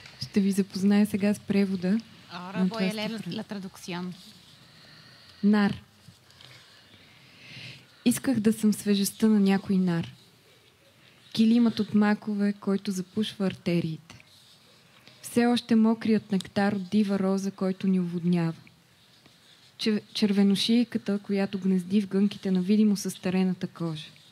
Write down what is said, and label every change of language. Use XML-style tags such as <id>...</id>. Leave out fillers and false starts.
<bg>Ще ви запозная сега с превода.</bg> <es>Ahora voy a leer la traducción.</es> <bg>Нар. Исках да съм свежестта на някой нар. Килимът от макове, който запушва артериите. Все още мокрият нектар от дива роза, който ни уводнява. червеношийката, която гнезди в гънките на видимо състарената кожа.</bg>